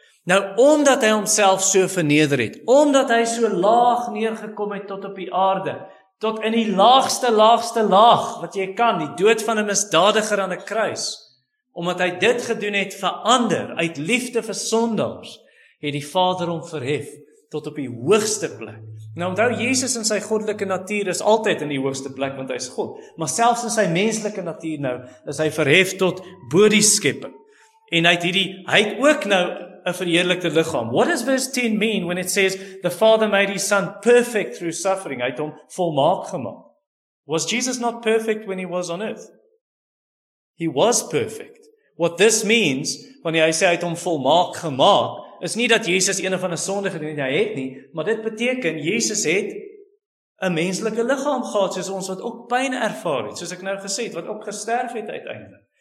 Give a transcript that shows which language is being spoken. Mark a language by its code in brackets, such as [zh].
[af] Nou, omdat hy homself so verneder het, omdat hy so laag neergekom het tot op die aarde, tot in die laagste laag wat jy kan, die dood van 'n misdadiger aan 'n kruis, omdat hy dit gedoen het vir ander, uit liefde vir sondaars, het die Vader hom verhef tot op die hoogste plek. Nou onthou, Jesus in sy goddelike natuur is altyd in die hoogste plek, want hy is God. Maar selfs in sy menslike natuur nou, is hy verhef tot bo die skepping. En hy het ook nou 'n verheerlikte liggaam. [en] What does verse 10 mean when it says, the Father made his son perfect through suffering? [af] Hy het hom volmaak gemaak. [en] Was Jesus not perfect when he was on earth? He was perfect. What this means, [af] wanneer hy sê hy het hom volmaak gemaak, is nie dat Jesus een van 'n sonde gedoen het, hy het nie, maar dit beteken, Jesus het 'n menslike liggaam gehad, soos ons wat ook pyn ervaar het, soos ek nou gesê het, wat ook gesterf het uiteindelik.